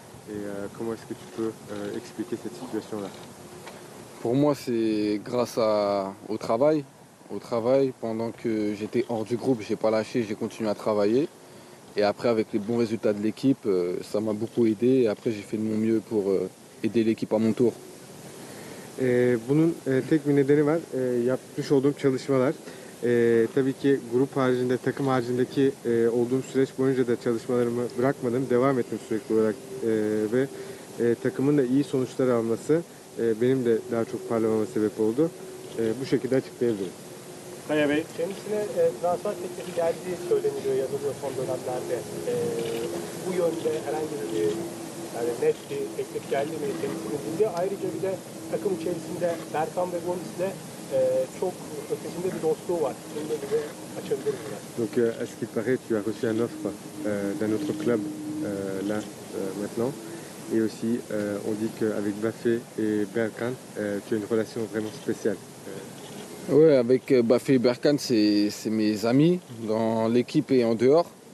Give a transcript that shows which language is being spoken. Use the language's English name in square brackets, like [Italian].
[French] Et comment est-ce que tu peux expliquer cette situation-là? Pour moi, c'est grâce au travail. Au travail, pendant que j'étais hors du groupe, j'ai pas lâché, j'ai continué à travailler. Et après, avec les bons résultats de l'équipe, ça m'a beaucoup aidé. Et après, j'ai fait de mon mieux pour aider l'équipe à mon tour. [Turkish] Bunun tek bir nedeni var. Yapmış olduğum çalışmalar. Tabii ki grup haricinde, takım haricindeki olduğum süreç boyunca da çalışmalarımı bırakmadım. Devam ettim sürekli olarak. Ve takımın da iyi sonuçlar alması benim de daha çok parlamama sebep oldu. Bu şekilde açıklayabilirim. Kaya Bey. Kendisine transfer teklifi geldiği söyleniyor, yazılıyor son dönemlerde. Bu yönde herhangi bir net bir teklif geldi mi? Kendisine bildi. Ayrıca bir de takım içerisinde Berkan ve Gomis'le çok ötesinde bir dostluğu var. Şimdi de bize açabilir miyiz? [French] Donc, à ce qu'il paraît, tu as reçu un offre d'un autre club là, maintenant. Et aussi, on dit qu'avec Bafé et Berkan, tu as une relation vraiment spéciale. Oui, avec Bafé et Berkan, c'est mes amis dans l'équipe et en dehors.